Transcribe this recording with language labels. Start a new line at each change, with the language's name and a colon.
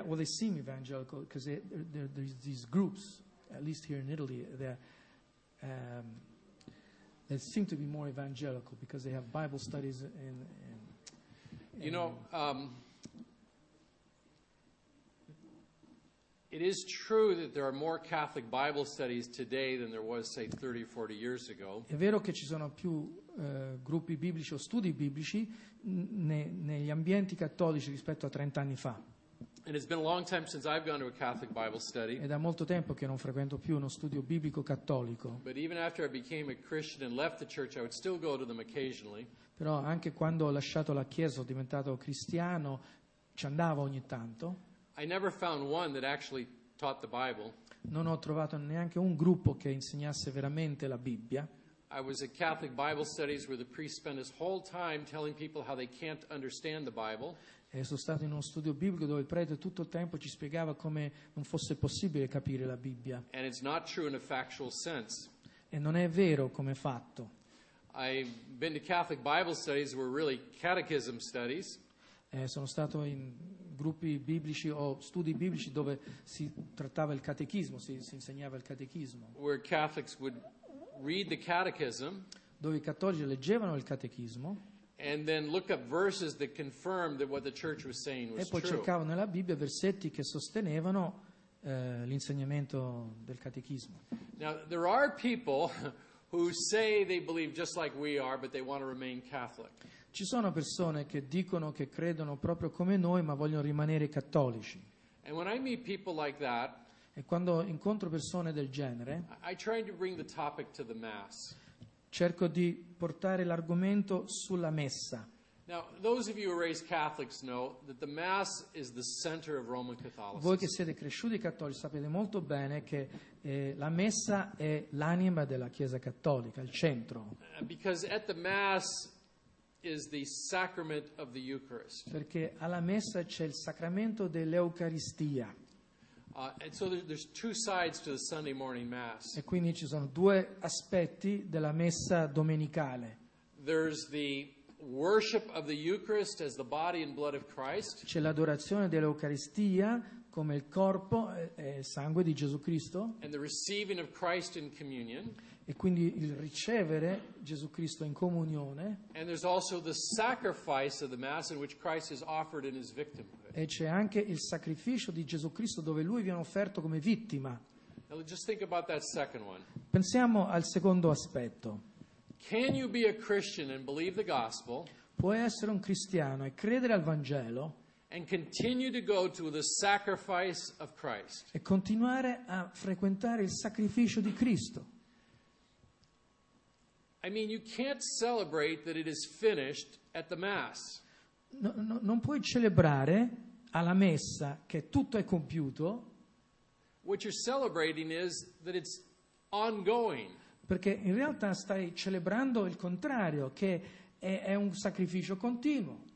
English: Well, they seem evangelical because there's these groups, at least here in Italy, that they seem to be more evangelical because they have Bible studies and you know. It is true that there are more Catholic Bible studies today than there was, say, 30 or 40 years ago.
Italian: È vero che ci sono più gruppi biblici o studi biblici negli ambienti cattolici rispetto a 30 anni fa.
English: And it's been a long time since I've gone to a Catholic Bible study.
Italian: È da molto tempo che non frequento più uno studio biblico cattolico.
English: But even after I became a Christian and left the church, I would still go to them occasionally.
Italian: Però anche quando ho lasciato la chiesa, ho diventato cristiano, ci andavo ogni tanto.
English: I never found one that actually taught the Bible.
Italian: Non ho trovato neanche un gruppo che insegnasse veramente la Bibbia.
English: I was at Catholic Bible studies where the priest spent his whole time telling people how they can't understand the Bible.
Italian: E sono stato in uno studio biblico dove il prete tutto il tempo ci spiegava come non fosse possibile capire la Bibbia.
English: And it's not true in a factual sense.
Italian: E non è vero come fatto.
English: I've been to Catholic Bible studies where really catechism studies.
Italian: Sono stato in gruppi biblici o studi biblici dove si trattava il catechismo, si insegnava il catechismo.
English: Where Catholics would read the catechism,
Italian: dove i cattolici leggevano il catechismo.
English: And then look up verses that confirmed that what the church was saying was true.
Italian: E poi cercavano nella Bibbia versetti che sostenevano l'insegnamento del catechismo.
English: Now there are people who say they believe just like we are, but they want to remain Catholic.
Italian: Ci sono persone che dicono che credono proprio come noi, ma vogliono rimanere cattolici.
English: And when I meet people like that,
Italian: e quando incontro persone del genere,
English: I try to bring the topic to the mass.
Italian: Cerco di portare l'argomento sulla messa.
English: Now, those of you who are raised Catholics know that the mass is the center of Roman Catholicism.
Italian: Voi che siete cresciuti cattolici sapete molto bene che la messa è l'anima della Chiesa cattolica, il centro.
English: Because at the mass is the sacrament of the Eucharist.
Italian: Perché alla messa c'è il sacramento dell'Eucaristia.
English: And so there's two sides to the Sunday morning mass.
Italian: E quindi ci sono due aspetti della messa domenicale.
English: There's the worship of the Eucharist as the body and blood of Christ.
Italian: C'è l'adorazione dell'Eucaristia come il corpo e il sangue di Gesù Cristo.
English: And the receiving of Christ in communion.
Italian: E quindi il ricevere Gesù Cristo in comunione.
English: And there's also the sacrifice of the mass in which Christ is offered in his victimhood.
Italian: E c'è anche il sacrificio di Gesù Cristo dove lui viene offerto come vittima.
English: Now just think about that second one.
Italian: Pensiamo al secondo aspetto.
English: Can you be a Christian and believe the gospel?
Italian: Puoi essere un cristiano e credere al Vangelo?
English: And continue to go to the sacrifice of Christ.
Italian: E continuare a frequentare il sacrificio di Cristo.
English: I mean, you can't celebrate that it is finished at the mass.
Italian: No, no, non puoi celebrare alla messa che tutto è compiuto.
English: What you're celebrating is that it's ongoing.
Italian: Perché in realtà stai celebrando il contrario, che è un sacrificio continuo.